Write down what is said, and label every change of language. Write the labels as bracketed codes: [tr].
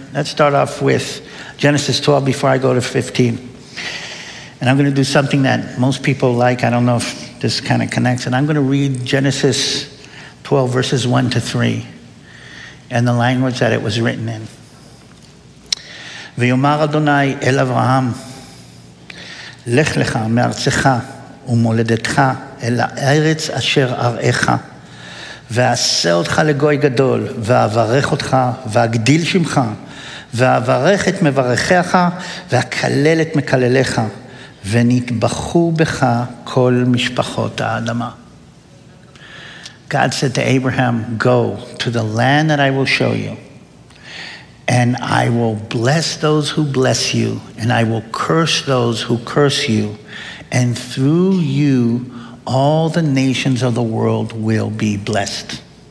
[en] Let's start off with Genesis 12 before I go to 15. And I'm going to do something that most people like. I don't know if this kind of connects. And I'm going to read Genesis 12 verses 1 to 3 and the language that it was written in. [he] ויאמר אדוני אל אברהם, לך לך מארצך ומולדתך אל הארץ אשר אראך, ועשה אותך לגוי גדול, ואברך אותך, ואגדיל שמך, ואברך את מברכיך, ואקלל את מקלליך, ונתבחו בך כל משפחות האדמה. [en] God said to Abraham, go to the land that I will show you. And I will bless those who bless you, and I will curse those who curse you, and through you, all the nations of the world will be blessed.